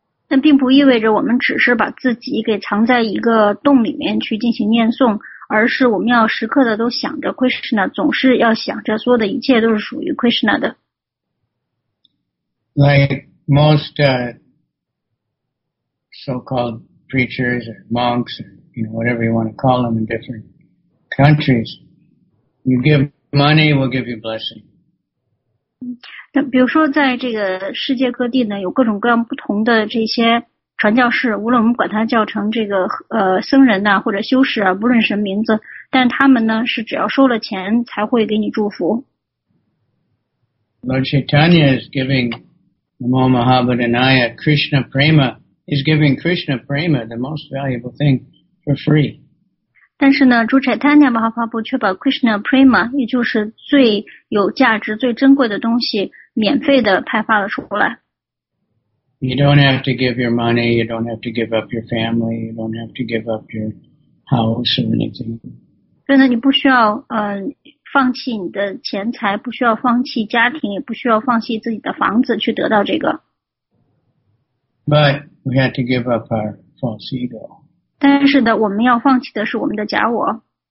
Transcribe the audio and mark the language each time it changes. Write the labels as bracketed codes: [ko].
[zh] 那并不意味着我们只是把自己给藏在一个洞里面去进行念诵，而是我们要时刻的都想着 Krishna， 总是要想着所有的一切都是属于 Krishna 的。 [en] Like most so-called preachers or monks, or, you know, whatever you want to call them in different countries, you give money, we'll give you blessing. [zh] 比如说在这个世界各地呢有各种各样不同的这些传教士，无论我们管它叫成这个僧人啊或者修士啊，不论什么名字，但他们呢是只要收了钱才会给你祝福。 [en] Lord Chaitanya is giving Namo Mahabodhanaya Krishna Prema is giving Krishna Prema the most valuable thing for free. [zh] 但是呢朱 Chaitanya Mahaprabhu 却把 Krishna Prema 也就是最有价值最珍贵的东西免费的派发了出来。 [en] You don't have to give your money, you don't have to give up your family, you don't have to give up your house or anything. [zh] 所以呢你不需要放弃你的钱财，不需要放弃家庭，也不需要放弃自己的房子去得到这个。 [en] But we have to give up our false ego. [zh] 但是的我们要放弃的是我们的假我。